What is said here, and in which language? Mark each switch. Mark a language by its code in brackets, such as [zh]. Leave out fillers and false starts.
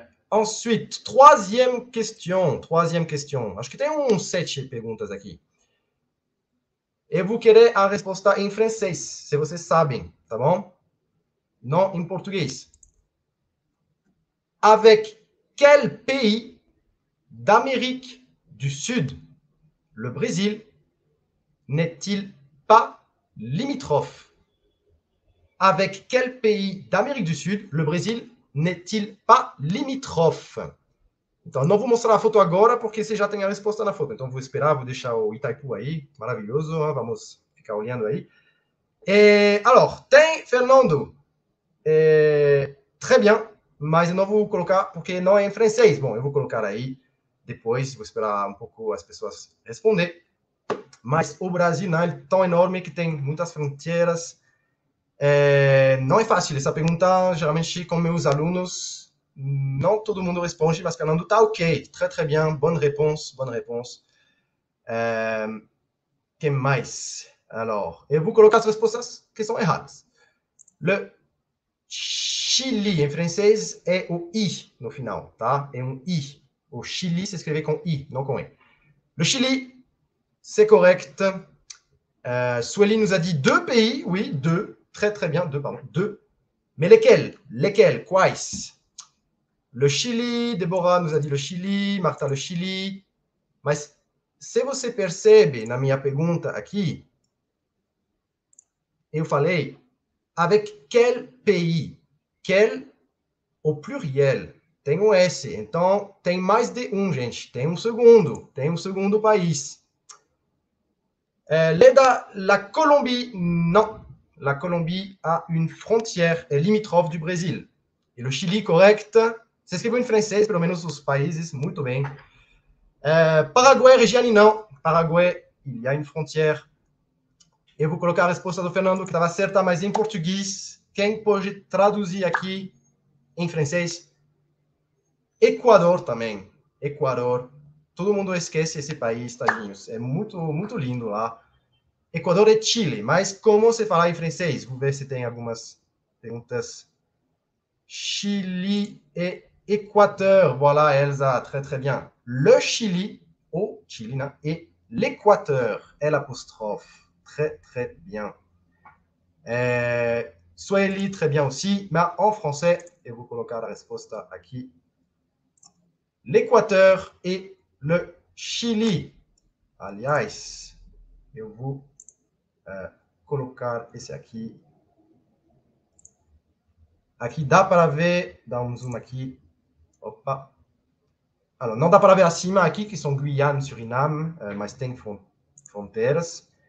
[fr] Ensuite, troisième question. Troisième question. [pt] Acho que tem uns 7 perguntas aqui. Eu vou querer a resposta em francês, se vocês sabem, tá bom? Não em português. [fr] Avec quel pays d'Amérique du Sud le Brésil n'est-il pas limitrophe? Avec quel pays d'Amérique du Sud le Brésil n'est-il pas limitrophe? [pt] Então, não vou mostrar a foto agora porque você já tem a resposta na foto. Então, vou esperar, vou deixar o Itaipu aí, maravilhoso. Hein? Vamos ficar olhando aí. Alors, tem, Fernando. [fr] Très bien, [pt] mas eu não vou colocar porque não é em francês. Bom, eu vou colocar aí depois, vou esperar um pouco as pessoas responder. Mas o Brasil, né, é tão enorme que tem muitas fronteiras. Não é fácil essa pergunta, geralmente com meus alunos. [fr] Non, tout le monde répond, je pense que Fernando, t'as ok, très très bien, bonne réponse, bonne réponse. [pt] Que mais? Alors, et vous colocar as respostas que sont erradas. [fr] Le Chili en français est au i [pt] no final, tá? É um i. O Chili se escreve com i, não com e. [fr] Le Chili, c'est correct. Sueli nous a dit deux pays, oui, deux, très très bien, deux, pardon, deux. Mais lesquels? Lesquels? Quais? Le Chili, Deborah nous a dit le Chili, Martha le Chili. [pt] Mas se você percebe na minha pergunta aqui, eu falei [fr] avec quel pays? Quel au pluriel? [pt] Tem um S. Então tem mais de um, gente. Tem um segundo país. [fr] La Colombie, non. La Colombie a une frontière, est limitrophe du Brésil. Et le Chili, correct? [pt] Você escreveu em francês, pelo menos os países, muito bem. Paraguai, Regiane, não. [fr] Paraguai, il y a une frontière. [pt] Eu vou colocar a resposta do Fernando, que estava certa, mas em português. Quem pode traduzir aqui em francês? Equador também. Equador. Todo mundo esquece esse país, tadinhos. É muito, muito lindo lá. Equador é Chile, mas como se fala em francês? Vou ver se tem algumas perguntas. Chile é. [fr] Équateur, voilà Elsa, très très bien. Le Chili, au Chili, et l'Équateur, l'apostrophe. Très très bien. Sueli, très bien aussi, mais en français, et vous colloquez la réponse à qui? L'Équateur et le Chili. Alias, et vous colloquez ici à qui? À qui? D'appareil, dans le Zoom à qui? Opa. [pt] Alors, não dá para ver acima aqui, que são Guyane, Suriname, mas tem fronteiras.